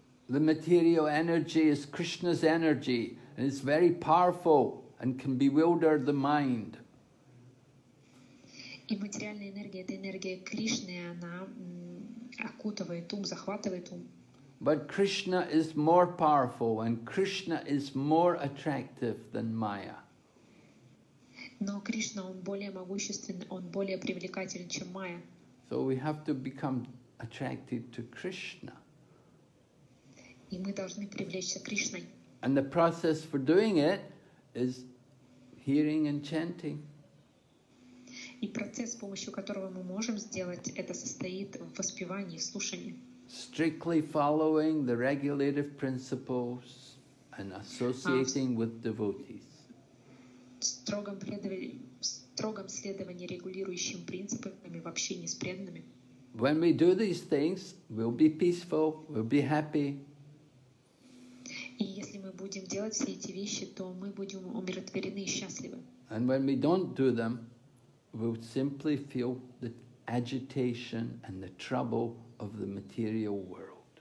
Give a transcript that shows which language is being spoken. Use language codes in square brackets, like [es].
[en] The material energy is Krishna's energy, and it's very powerful and can bewilder the mind. [ru] И материальная энергия — это энергия Кришны, она окутывает ум, захватывает ум. [en] But Krishna is more powerful and Krishna is more attractive than Maya. [ru] Но Кришна, он более могущественный, он более привлекательный, чем Майя. [en] So we have to become attracted to Krishna. [ru] И мы должны привлечься к Кришне. [en] And the process for doing it is hearing and chanting. [ru] И процесс, с помощью которого мы можем сделать это, состоит в воспевании, слушании. [en] Strictly following the regulative principles and associating with devotees. [ru] Строгом следовании регулирующим принципам в общении с преданными. [en] When we do these things, we'll be peaceful, we'll be happy. [ru] И если мы будем делать все эти вещи, то мы будем умиротворены и счастливы. [en] And when we don't do them, we'll simply feel the agitation and the trouble of the material world.